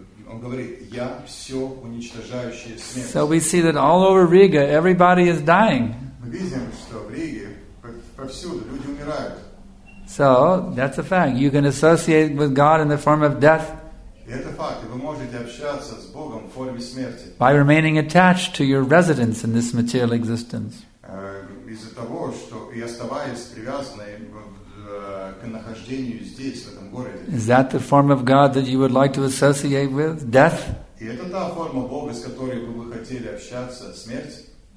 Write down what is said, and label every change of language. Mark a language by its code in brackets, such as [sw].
[ru] Он говорит, я все уничтожающее смерть. [en] So we see that all over Riga, everybody is dying. [ru] Мы видим, что в Риге повсюду люди умирают. [en] So that's a fact. You can associate with God in the form of death. [ru] Это факт. Вы можете общаться с Богом в форме смерти. [en] By remaining attached to your residence in this material existence. [ru] Из-за того, что и оставаясь привязанным к нахождению здесь, в этом городе. [en] Is that the form of God that you would like to associate with? Death? [ru] И это та форма Бога, с которой вы бы хотели общаться, смерть?